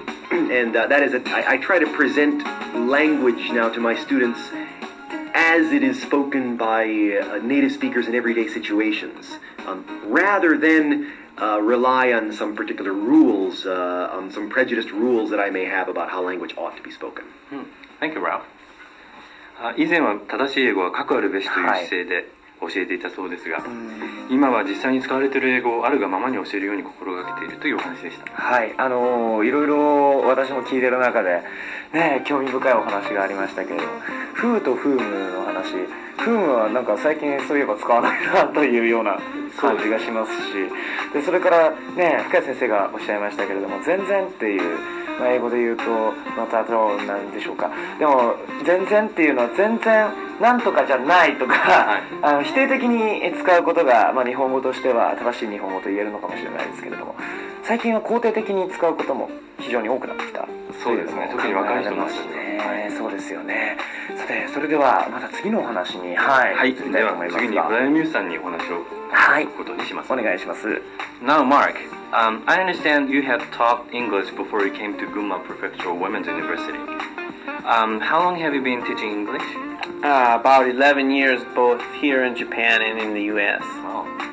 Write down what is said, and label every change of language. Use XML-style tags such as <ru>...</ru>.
<en>And that is that I try to present language now to my students as it is spoken by native speakers in everyday situations, rather than rely on some particular rules, on some prejudiced rules that I may have about how language ought to be spoken. Thank you, Ralph.</en> <ja>以前は正しい英語は書くあるべしという姿勢で教えていたそうですが、はい、今は実際に使われている英語をあるがままに教えるように心がけているというお話でした。はい、いろいろ私も聞いている中で、ね、興味深いお話がありましたけど、フーとフームの話、フームはなんか最近そういえば使わないなというような感じがしますし、でそれから、ね、深谷先生がおっしゃいましたけれども、全然っていう、まあ、英語で言うとまたどうなんでしょうか。でも全然っていうのは全然なんとかじゃないとか、はい、否定的に使うことが、まあ、日本語としては正しい日本語と言えるのかもしれないですけれども、最近は肯定的に使うことも非常に多くなってきた。そうですね、特に若い人もそうですね、はい、そうですよね。さて、それではまた次のお話に、はい、はい、では次にブライアン・ミューさんにお話を聞くことにします、ね、はい、お願いします。</ja> <en>Now MarkI understand you had taught English before you came to Gunma Prefectural Women's University. How long have you been teaching English? About 11 years, both here in Japan and in the U.S. Wow.</en>